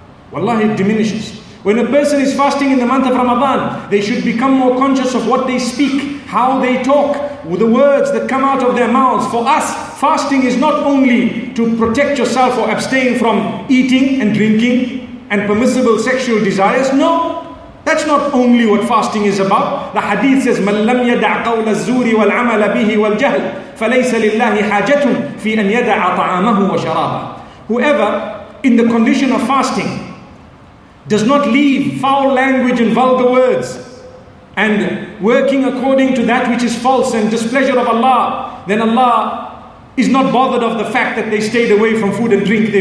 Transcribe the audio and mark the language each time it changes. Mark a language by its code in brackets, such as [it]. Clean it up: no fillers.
[en] Wallahi, it diminishes. When a person is fasting in the month of Ramadan, they should become more conscious of what they speak, how they talk, with the words that come out of their mouths. For us, fasting is not only to protect yourself or abstain from eating and drinking and permissible sexual desires. No, that's not only what fasting is about. The hadith says, [ar] مَنْ لَمْ يَدَعْ قَوْلَ الزُّورِ وَالْعَمَلَ بِهِ وَالْجَهْلِ فَلَيْسَ لِلَّهِ حَاجَةٌ فِي أَنْ يَدَعَ طَعَامَهُ وَشَرَابَهُ. [en] Whoever, in the condition of fasting, does not leave foul language and vulgar words, and working according to that which is false and displeasure of Allah, then Allah is not bothered of the fact that they stayed away from food and drink.